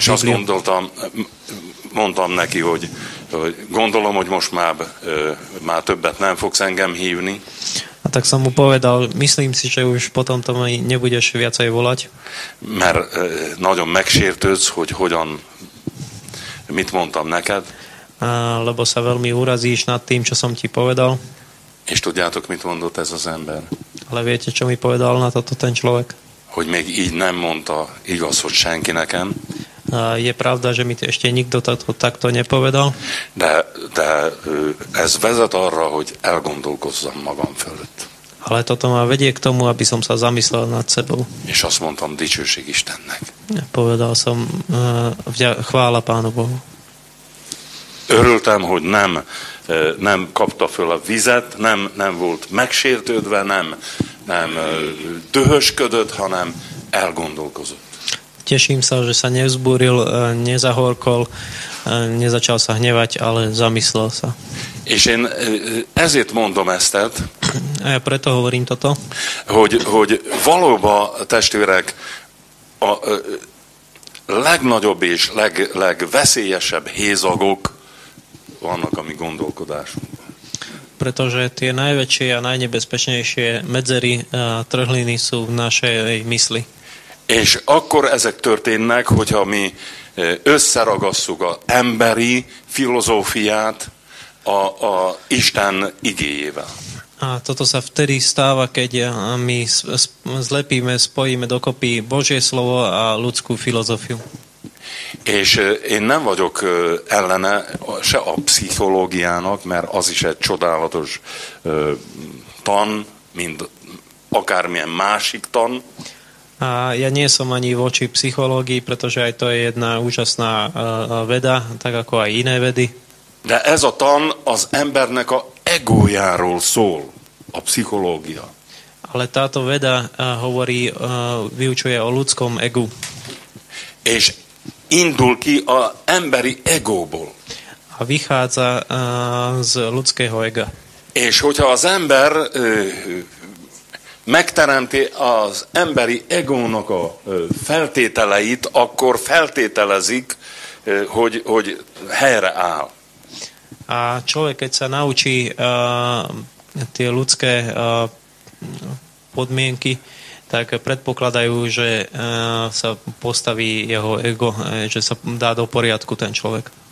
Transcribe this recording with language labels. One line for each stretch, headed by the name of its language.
Hungarian: Bibliu. És azt gondoltam, mondtam neki, hogy gondolom, hogy most már többet nem fogsz engem hívni.
Slovak: A tak som mu povedal, myslím si, že už potom to mi nebudeš viacej volať.
Hungarian: Mert nagyon megsértődsz, hogy hogyan, mit mondtam neked.
Slovak: A, lebo sa veľmi urazíš nad tým, čo som ti povedal.
Hungarian: És tudjátok, mit mondott ez az ember?
Slovak: Ale viete, čo mi povedal na toto ten človek?
Hungarian: Hogy még így nem mondta, igaz, hogy senki nekem.
Slovak: A, je pravda, že mi ešte nikto toto takto nepovedal.
Hungarian: De ez vezet arra, hogy elgondolkozzam magam fölött.
Slovak: Ale toto ma vedie k tomu, aby som sa zamyslel nad sebou.
Hungarian: És azt mondtam, dicsőség Istennek.
Slovak: Ja, povedal som, chvála Pánu Bohu.
Hungarian: Örültem, hogy nem kapta föl a vizet, nem volt megsértődve, nem dühösködött, hanem elgondolkozott.
Slovak: Teším sa, že sa nevzbúril, nezahorkol, nezačal sa hnevať, ale zamyslel sa.
Hungarian: És én ezért mondom eztet.
Slovak: A ja preto hovorím toto.
Hungarian: Hogy valóban, testvérek, a legnagyobb és legveszélyesebb hézagok vannak a mi gondolkodásunkban.
Slovak: Pretože tie najväčšie a najnebezpečnejšie medzery a trhliny sú v našej mysli.
Hungarian: És akkor ezek történnek, hogyha mi összeragasszuk az emberi filozófiát a Isten igéjével.
Slovak: A toto sa vtedy stáva, keď my zlepíme, spojíme dokopy Božie slovo a ľudskú filozofiu.
Hungarian: És én nem vagyok ellene se a pszichológiának, mert az is egy csodálatos tan, mint akármilyen másik tan.
Slovak: A ja nie som ani voči psychológii, pretože aj to je jedna úžasná veda, tak ako aj iné vedy.
Hungarian: De ez a tan az embernek a egójáról szól, a psychológia.
Slovak: Ale táto veda hovorí, vyučuje o ľudskom egu.
Hungarian: És indul ki a emberi egóból.
Slovak: A vychádza z ľudského ega.
Hungarian: És hogyha az ember megteremti az emberi egónak a feltételeit, akkor feltételezik, hogy helyre áll.
Slovak: A človek, keď sa naučí tie ľudské podmienky, tak predpokladajú, že sa postaví jeho ego, že sa dá do poriadku ten človek.